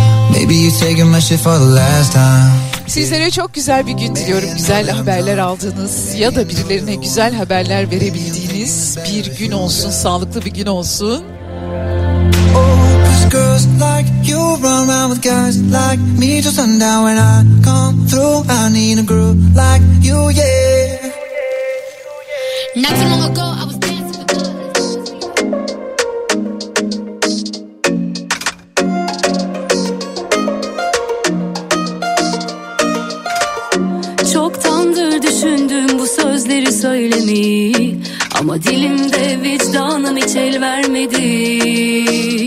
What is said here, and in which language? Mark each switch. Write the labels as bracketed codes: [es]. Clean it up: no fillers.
[en] Maybe you taking my shit for the last time. [tr] Sizlere çok güzel bir gün diliyorum. Güzel haberler aldığınız ya da birilerine güzel haberler verebildiğiniz bir gün olsun. Sağlıklı bir gün olsun. [en] Girls like you run around with guys like me till sundown. When I come through, I need a group like you, yeah. Not too long ago, I was dancing with boys. [tr] Çoktandır düşündüm bu sözleri söylemeyi, ama dilimde vicdanım hiç el vermedi.